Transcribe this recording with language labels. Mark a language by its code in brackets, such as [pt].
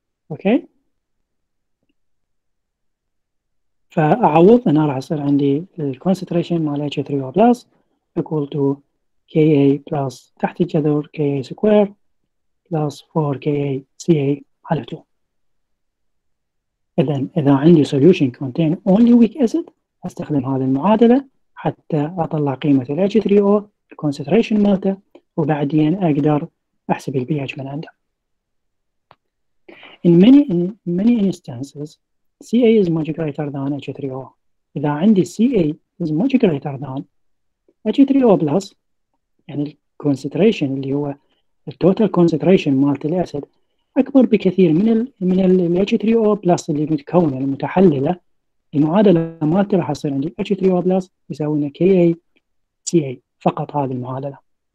[ar] اوكي، فأعوض أنا راح يصير عندي الـ concentration مال H3O plus equal to Ka plus تحت الجذر Ka square plus 4Ka Ca على 2. إذن إذا عندي solution contain only weak acid أستخدم هذه المعادلة حتى أطلع قيمة الـ H3O concentration مالته، وبعدين أقدر أحسب الـ pH من عنده. [en] In many instances Ca is much greater than H3O. [ar] إذا عندي Ca is much greater than H3O plus، يعني الـ concentration اللي هو الـ total concentration مالت الأسيد أكبر بكثير من الـ H3O plus اللي متكونة المتحللة، المعادلة مالت راح تصير عندي H3O plus يساوينا Ka Ca، فقط هذه المعادلة.